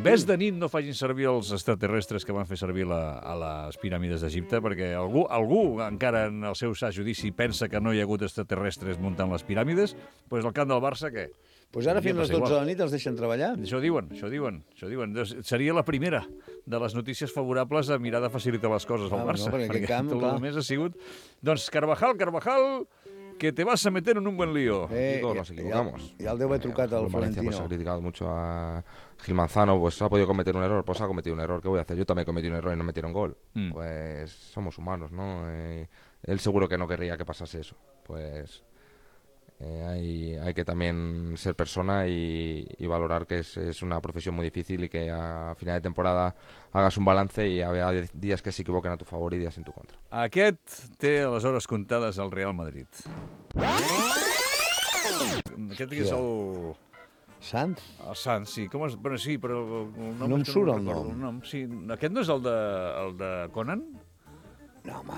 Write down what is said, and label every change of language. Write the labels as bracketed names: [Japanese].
[Catalan] Ves de nit no facin servir els extraterrestres que van fer servir a les piràmides d'Egipte, perquè algú encara en el seu sa judici pensa que no hi ha hagut extraterrestres muntant les piràmides, doncs el camp del Barça, què? Doncs ara fins a les 12 de la nit els deixen treballar. Això diuen. Seria la primera de les notícies favorables a mirar de facilitar les coses al Barça. No, perquè aquest camp, clar. Tot el més ha sigut... Doncs Carvajal... [Spanish] que te vas a meter en un buen lío. Ya el debo haber trucado al Florentino. Valencia, pues, ha criticado mucho a Gil Manzano, pues ha podido cometer un error, pues ha cometido un error, ¿qué voy a hacer? Yo también cometí un error y no metieron gol. Mm. Pues somos humanos, ¿no? Él seguro que no querría que pasase eso. Pues hay que también ser persona y valorar que es una profesión muy difícil y que a final de temporada hagas un balance y haya días que se equivoquen a tu favor y días en tu contra. [Catalan] Aquest té les hores comptades al Real Madrid. Aquest és el... Sants? El Sants, sí. Com és? Bueno, sí, però el nom... No em surt el nom. Sí. Aquest no és el de Conan? No,